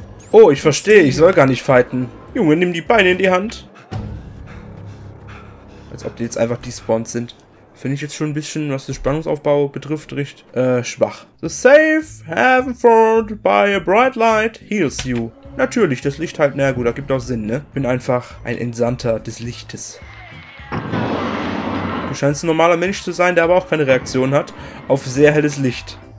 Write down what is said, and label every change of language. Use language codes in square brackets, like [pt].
[de] Oh, ich verstehe, ich soll gar nicht fighten. Junge, nimm die Beine in die Hand. Als ob die jetzt einfach despawned sind. Finde ich jetzt schon ein bisschen, was den Spannungsaufbau betrifft, recht schwach. [en] The safe haven formed by a bright light heals you. [de] Natürlich, das Licht halt, na gut, da gibt auch Sinn, ne? Bin einfach ein Entsandter des Lichtes. Du scheinst ein normaler Mensch zu sein, der aber auch keine Reaktion hat auf sehr helles Licht.